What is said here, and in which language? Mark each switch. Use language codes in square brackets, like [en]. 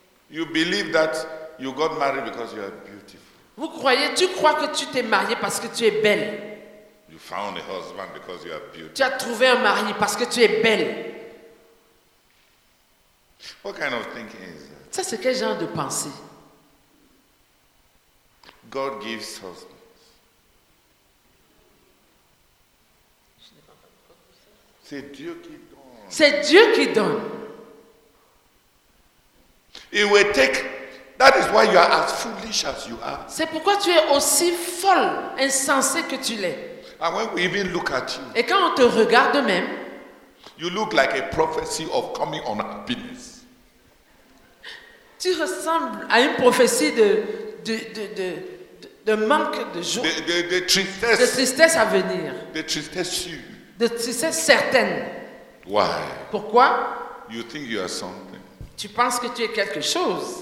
[en] You believe that you got married because you are beautiful. [fr] Vous croyez, tu crois que tu t'es mariée parce que tu es belle. [en] Found a husband because you are beautiful. [fr] Tu as trouvé un mari parce que tu es belle. [en] What kind of thinking is that? [fr] Ça, c'est quel genre de pensée? [en] God gives husbands. [fr] C'est Dieu qui donne. C'est Dieu qui donne. [en] It will take. That is why you are as foolish as you are. [fr] C'est pourquoi tu es aussi folle, insensée que tu l'es. [en] And when we even look at you, [fr] et quand on te regarde même, [en] you look like a prophecy of coming on happiness. [fr] Tu ressembles à une prophétie de manque de joie, de tristesse, de tristesse à venir, de tristesse sûre, de tristesse certaine. [en] Why? [fr] Pourquoi? [en] You think you are something. [fr] Tu penses que tu es quelque chose.